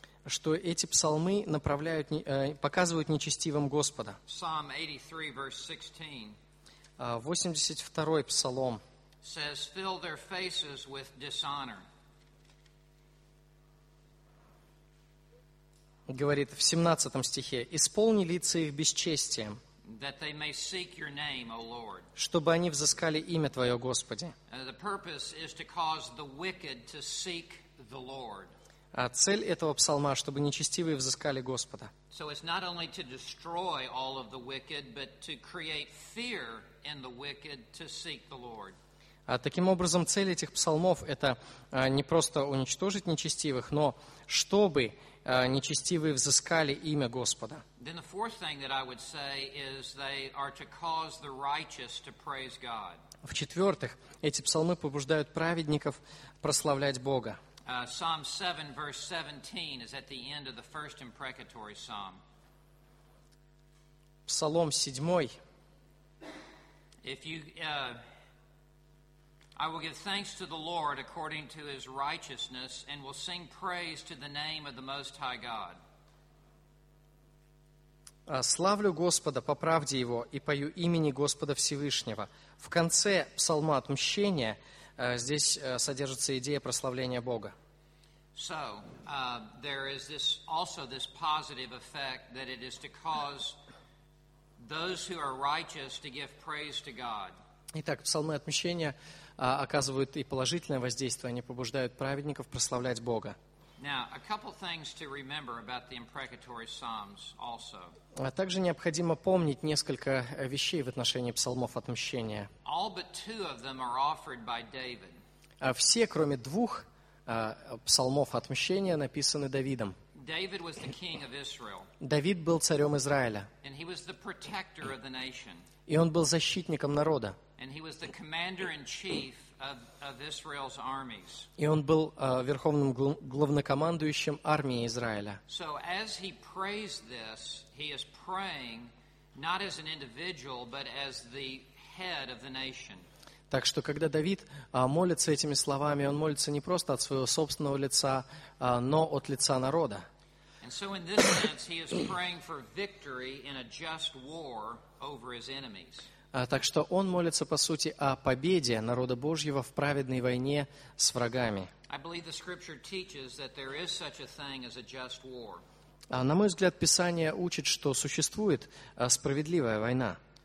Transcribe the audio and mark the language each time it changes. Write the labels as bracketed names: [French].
[Russian] Что эти псалмы направляют, показывают нечестивым Господа. [English] Psalm 83, verse 16. [Russian] 82-й псалом. [English] Says, fill their faces with dishonor. [Russian] Говорит в 17 стихе, исполни лица их бесчестием. [English] That they may seek your name, O Lord. [Russian] Чтобы они взыскали имя Твое, Господи. [English] The purpose is to cause the wicked to seek the Lord. [Russian] А цель этого псалма, чтобы нечестивые взыскали Господа. [English] So it's not only to destroy all of the wicked, but to create fear in the wicked to seek the Lord. [Russian] Таким образом, цель этих псалмов – это не просто уничтожить нечестивых, но чтобы нечестивые взыскали имя Господа. [English] Then the fourth thing that I would say is they are to cause the righteous to praise God. [Russian] В-четвертых, эти псалмы побуждают праведников прославлять Бога. [English] Psalm 7, verse 17 is at the end of the first imprecatory psalm. [Russian] Псалом 7. [English] If you, I will give thanks to the Lord according to his righteousness and will sing praise to the name of the Most High God. [Russian] Славлю Господа по правде Его и пою имени Господа Всевышнего. В конце псалма отмщения здесь содержится идея прославления Бога. [English] So, there is this, also this positive effect that it is to cause those who are righteous to give praise to God. [Russian] Итак, псалмы отмщения оказывают и положительное воздействие, они побуждают праведников прославлять Бога. [English] Now, a couple things to remember about the imprecatory psalms also. [Russian] Также необходимо помнить несколько вещей в отношении псалмов отмщения. [English] All but two of them are offered by David. [Russian] Все, кроме двух псалмов отмщения, написаны Давидом. [English] David was the king of Israel. [Russian] Давид был царем Израиля. [English] And he was the protector of the nation. [Russian] И он был защитником народа. [English] And he was the commander-in-chief of Israel's armies. [Russian] И он был верховным главнокомандующим армии Израиля. [English] So as he prays this, he is praying not as an individual, but as the head of the nation. [Russian] Так что, когда Давид молится этими словами, он молится не просто от своего собственного лица, но от лица народа. [English] And so in this sense, he is praying for victory in a just war over his enemies. [Russian] Так что он молится, по сути, о победе народа Божьего в праведной войне с врагами. На мой взгляд, Писание учит, что существует справедливая война.